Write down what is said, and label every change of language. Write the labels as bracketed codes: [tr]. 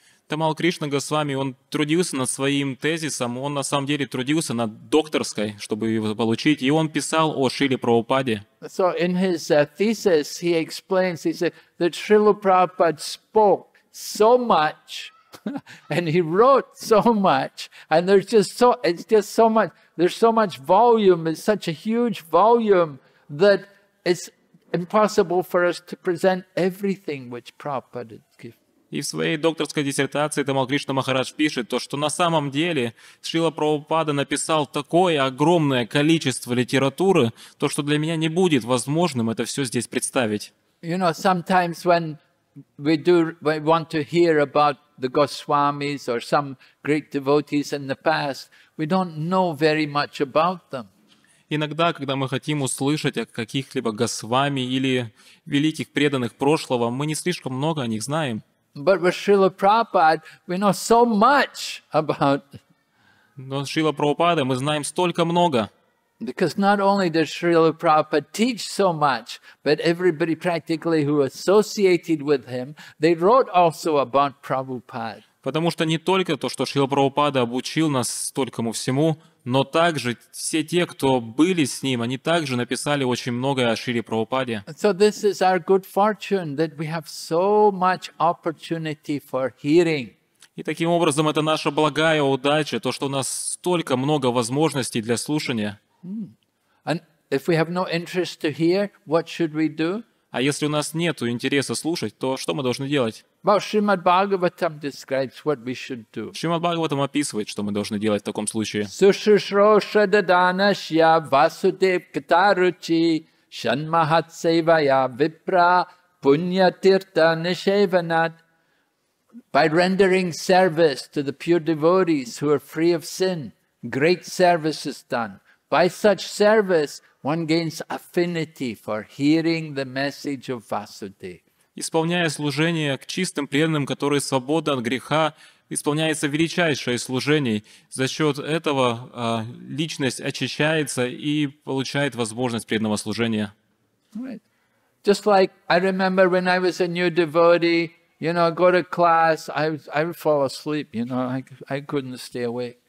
[ru] Tamal Krishna Goswami, он трудился над своим тезисом, он на самом деле трудился над докторской, чтобы его получить, и он писал о Шриле Прабхупаде. [en] So in his thesis he explains, he said that Srila Prabhupada spoke so much and he wrote so much, and there's just so, it's just so much, there's so much volume, it's such a huge volume that it's impossible for us to present everything which Prabhupada had given. [ru] И в своей докторской диссертации Тамал Кришна Махарадж пишет то, что на самом деле Шрила Прабхупада написал такое огромное количество литературы, то, что для меня не будет возможным это все здесь представить. [en] You know, sometimes when we want to hear about the Goswamis or some great devotees in the past, we don't know very much about them. [ru] Иногда, когда мы хотим услышать о каких-либо Госвами или великих преданных прошлого, мы не слишком много о них знаем. [en] But with Srila Prabhupada, we know so much about. [ru] Но с Шрилой Прабхупадой мы знаем столько много. [en] Because not only does Srila Prabhupada teach so much, but everybody practically who associated with him, they wrote also about Prabhupada. [ru] Потому что не только то, что Шрила Прабхупада обучил нас столькому всему, но также все те, кто были с ним, они также написали очень многое о Шриле Прабхупаде. [en] So this is our good fortune, that we have so much opportunity for hearing. [ru] И таким образом, это наша благая удача, то, что у нас столько много возможностей для слушания. [en] And if we have no interest to hear, what should we do? [ru] А если у нас нет интереса слушать, то что мы должны делать? [en] Well, Srimad Bhagavatam describes what we should do. [ru] Srimad Bhagavatam описывает, что мы должны делать в таком случае. [sa] Сушушроша даданашья васудев катаручи шанмахатсевая випра пуньятирта нишеванат. [en] By rendering service to the pure devotees who are free of sin, great service is done. By such service, one gains affinity for hearing the message of Vasudeva. [ru] Исполняя служение к чистым преданным, которые свободны от греха, исполняется величайшее служение. За счет этого личность очищается и получает возможность преданного служения. [en] Right. Just like I remember when I was a new devotee, you know, go to class, I would fall asleep, you know, I couldn't stay awake.